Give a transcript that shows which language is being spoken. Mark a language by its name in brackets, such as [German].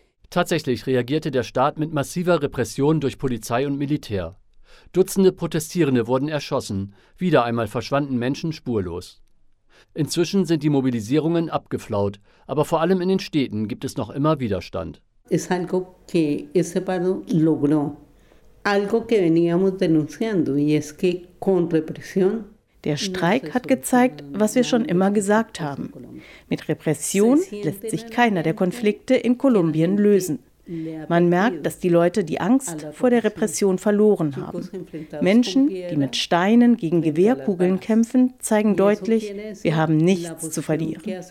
[German] Tatsächlich reagierte der Staat mit massiver Repression durch Polizei und Militär. Dutzende Protestierende wurden erschossen. Wieder einmal verschwanden Menschen spurlos. Inzwischen sind die Mobilisierungen abgeflaut. Aber vor allem in den Städten gibt es noch immer Widerstand. [Spanish] Es algo que ese paro logró, algo que veníamos denunciando, y es que con represión. [German] Der Streik hat gezeigt, was wir schon immer gesagt haben. Mit Repression lässt sich keiner der Konflikte in Kolumbien lösen. Man merkt, dass die Leute die Angst vor der Repression verloren haben. Menschen, die mit Steinen gegen Gewehrkugeln kämpfen, zeigen deutlich, wir haben nichts zu verlieren.